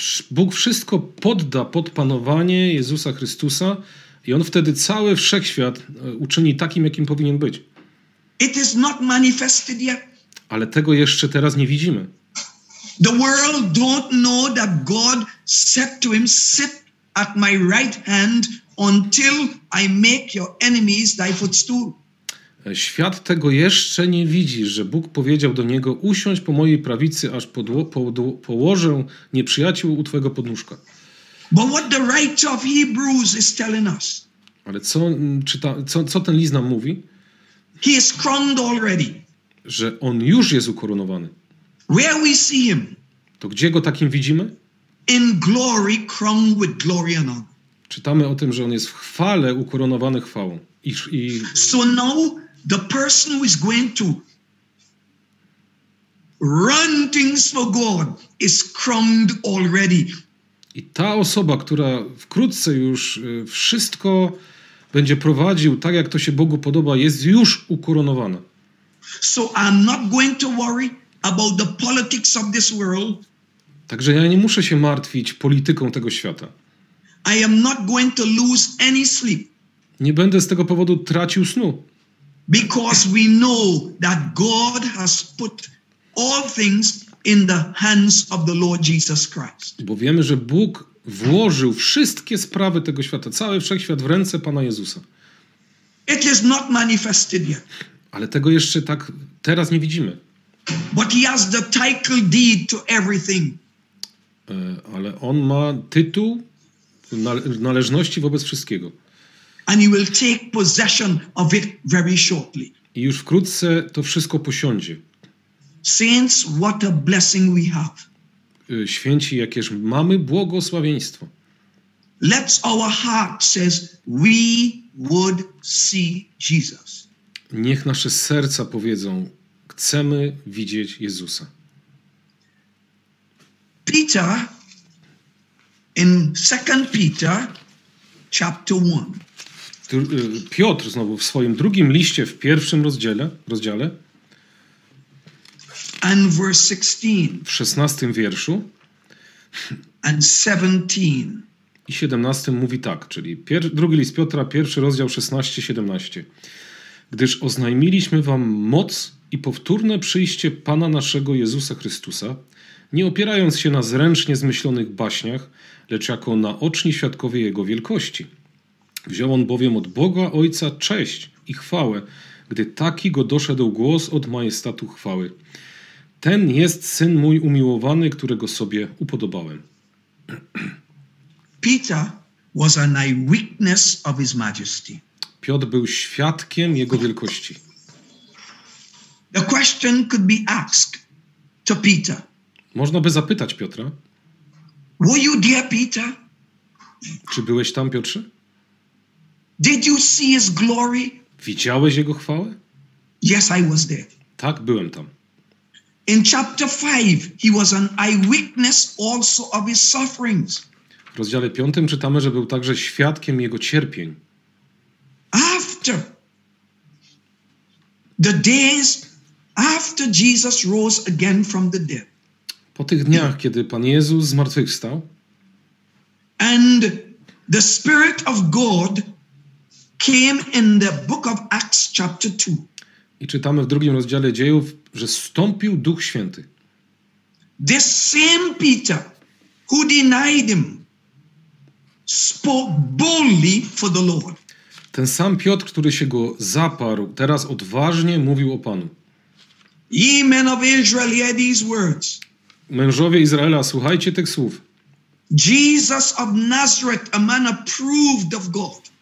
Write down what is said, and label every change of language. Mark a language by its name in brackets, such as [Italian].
[Polish] Bóg wszystko podda pod panowanie Jezusa Chrystusa i on wtedy cały wszechświat uczyni takim, jakim powinien być. [English] It is not manifested yet. [Polish] Ale tego jeszcze teraz nie widzimy. [English] The world don't know that God said to him, sit at my right hand until I make your enemies thy footstool. [Polish] Świat tego jeszcze nie widzi, że Bóg powiedział do niego, usiądź po mojej prawicy, aż położę nieprzyjaciół u twojego podnóżka. [English] But what the writer of Hebrews is telling us? [Polish] Ale co ten list nam mówi? [English] He is crowned already. [Polish] Że on już jest ukoronowany. [English] Where we see him? [Polish] To gdzie go takim widzimy? [English] In glory, crowned with glory and honor. [Polish] Czytamy o tym, że on jest w chwale ukoronowany chwałą. [English] So now the person who is going to run things for God is crowned already. [Polish] I ta osoba, która wkrótce już wszystko będzie prowadził tak, jak to się Bogu podoba, jest już ukoronowana. [English] So I'm not going to worry about the politics of this world. [Polish] Także ja nie muszę się martwić polityką tego świata. [English] I am not going to lose any sleep. [Polish] Nie będę z tego powodu tracił snu. [English] Because we know that God has put all things in the hands of the Lord Jesus Christ. [Polish] Bo wiemy, że Bóg włożył wszystkie sprawy tego świata, cały wszechświat w ręce Pana Jezusa. [English] It is not manifested yet. [Polish] Ale tego jeszcze tak teraz nie widzimy. [English] But he has the title deed to everything. [Polish] Ale on ma tytuł należności wobec wszystkiego. [English] And he will take possession of it very shortly. [Polish] I już wkrótce to wszystko posiądzie. [English] Saints, what a blessing we have. [Polish] Święci, jakież mamy błogosławieństwo. [English] Let's our heart says we would see Jesus. [Polish] Niech nasze serca powiedzą, chcemy widzieć Jezusa. [English] Peter in 2 Peter chapter 1. [Polish] Piotr znowu w swoim drugim liście w pierwszym rozdziale. [English] And verse 16. [Polish] W 16 wierszu. [English] And 17. [Polish] I 17 mówi tak, czyli drugi list Piotra, pierwszy rozdział 16-17. Gdyż oznajmiliśmy wam moc i powtórne przyjście Pana naszego Jezusa Chrystusa, nie opierając się na zręcznie zmyślonych baśniach, lecz jako naoczni świadkowie Jego wielkości. Wziął on bowiem od Boga Ojca cześć i chwałę, gdy taki go doszedł głos od majestatu chwały. Ten jest Syn mój umiłowany, którego sobie upodobałem. [English] Peter was an eyewitness of his majesty. [Polish] Piotr był świadkiem jego wielkości. [English] The question could be asked, to Peter. [Polish] Można by zapytać Piotra. [English] Were you there, Peter? [Polish] Czy byłeś tam, Piotrze? [English] Did you see his glory? [Polish] Widziałeś jego chwałę? [English] Yes, I was there. [Polish] Tak, byłem tam. [English] In chapter 5, he was an eyewitness also of his sufferings. [Polish] W rozdziale 5 czytamy, że był także świadkiem jego cierpień. [English] After the days after Jesus rose again from the dead. [Polish] Po tych dniach, kiedy Pan Jezus zmartwychwstał. [English] And the Spirit of God came in the book of Acts chapter 2. [Polish] I czytamy w drugim rozdziale Dziejów, że zstąpił Duch Święty. [English] This same Peter who denied him spoke boldly for the Lord. [Polish] Ten sam Piotr, który się go zaparł, teraz odważnie mówił o Panu. [English] Ye men of Israel, hear these words. [Polish] Mężowie Izraela, słuchajcie tych słów. [English] Jesus of Nazareth, a man approved of God.